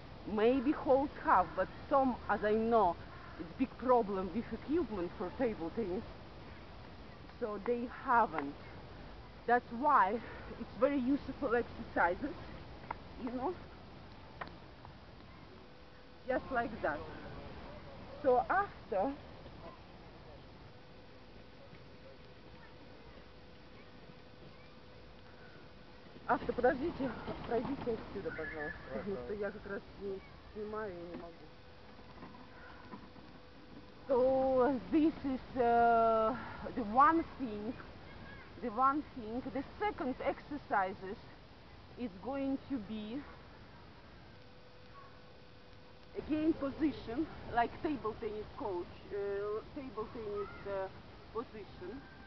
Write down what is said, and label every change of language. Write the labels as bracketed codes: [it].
[en] Maybe halls have, but some, as I know, it's big problem with equipment for table tennis. So they haven't. That's why it's very useful exercises, you know, just like that. [ru] So after, подождите отсюда, пожалуйста, я как раз снимаю и не могу. [en] So this is the one thing, the second exercise is going to be again position, like table tennis coach, table tennis position.